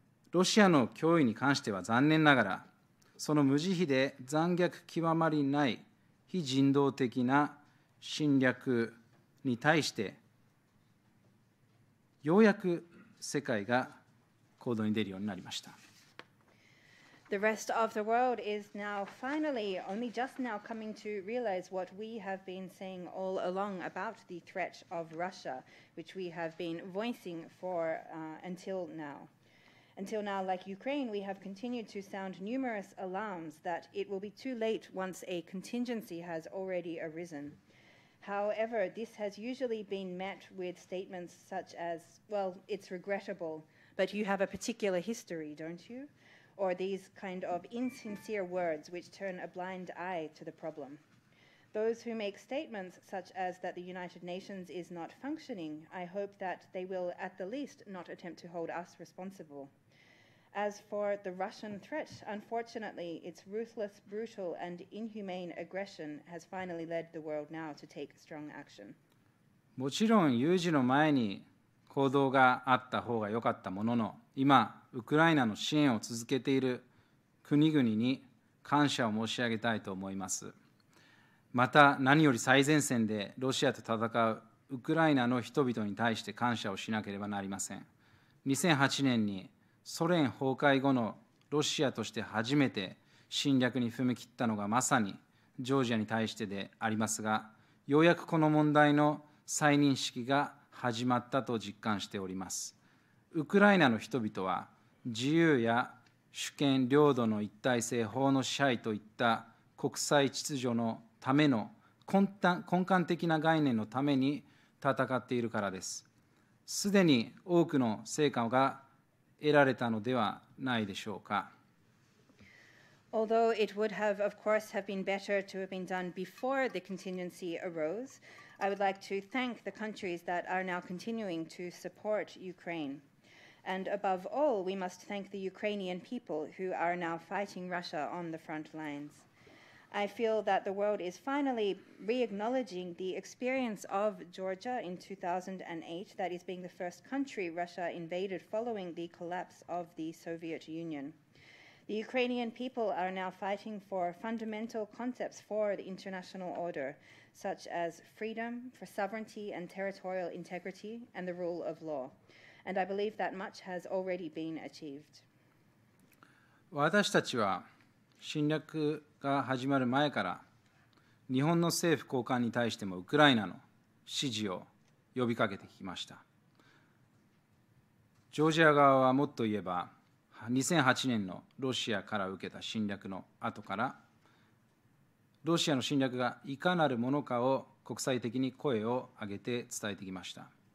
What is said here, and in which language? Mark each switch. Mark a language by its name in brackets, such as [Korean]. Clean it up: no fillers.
[Japanese] ロシアの脅威に関しては残念ながら、その無慈悲で残虐極まりない非人道的な侵略に対して、ようやく世界が行動に出るようになりました。 [English] The rest of the world is now finally, only just now, coming to realize what we have been saying all along about the threat of Russia, which we have been voicing for until now. Until now, like Ukraine, we have continued to sound numerous alarms that it will be too late once a contingency has already arisen. However, this has usually been met with statements such as, well, it's regrettable, but you have a particular history, don't you? Or these kind of insincere words which turn a blind eye to the problem. Those who make statements such as that the United Nations is not functioning, I hope that they will at the least not attempt to hold us responsible. As for the Russian threat, unfortunately, its ruthless, brutal, and inhumane aggression has finally led the world now to take strong action. [Japanese] もちろん有事の前に行動があった方が良かったものの、今ウクライナの支援を続けている国々に感謝を申し上げたいと思います。また何より最前線でロシアと戦うウクライナの人々に対して感謝をしなければなりません。 2008年にソ連崩壊後のロシアとして初めて侵略に踏み切ったのがまさにジョージアに対してでありますが、ようやくこの問題の再認識が始まったと実感しております。ウクライナの人々は自由や主権、領土の一体性、法の支配といった国際秩序のための根幹的な概念のために戦っているからです。すでに多くの成果が得られたのではないでしょうか。 [English] Although it would have, of course, have been better to have been done before the contingency arose, I would like to thank the countries that are now continuing to support Ukraine. And above all, we must thank the Ukrainian people who are now fighting Russia on the front lines. I feel that the world is finally re-acknowledging the experience of Georgia in 2008, that is being the first country Russia invaded following the collapse of the Soviet Union. The Ukrainian people are now fighting for fundamental concepts for the international order, such as freedom, for sovereignty and territorial integrity, and the rule of law. And I believe that much has already been achieved. [Japanese] 私たちは侵略が始まる前から日本の政府高官に対してもウクライナの支持を呼びかけてきました。ジョージア側はもっと言えば2008年のロシアから受けた侵略の後からロシアの侵略がいかなるものかを国際的に声を上げて伝えてきました。